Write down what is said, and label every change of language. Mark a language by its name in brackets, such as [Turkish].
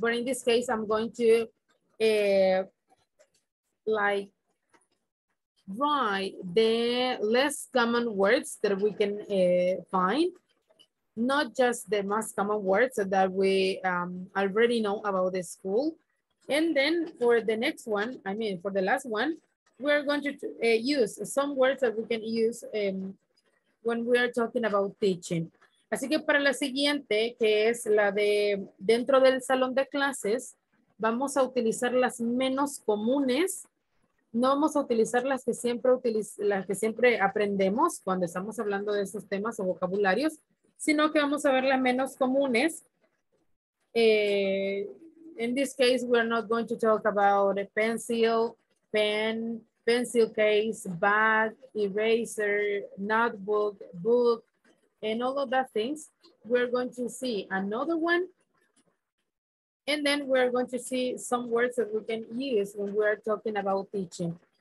[English] But in this case, I'm going to like write the less common words that we can find, not just the most common words that we already know about the school. And then for the next one, I mean, for the last one, we're going to use some words that we can use when we are talking about teaching. [Spanish] Así que para la siguiente, que es la de dentro del salón de clases, vamos a utilizar las menos comunes. No vamos a utilizar las que siempre aprendemos cuando estamos hablando de esos temas o vocabularios, sino que vamos a ver las menos comunes. [English] In this case, we're not going to talk about a pencil, pen, pencil case, bag, eraser, notebook, book, and all of that things. We're going to see another one. And then we're going to see some words that we can use when we're talking about teaching.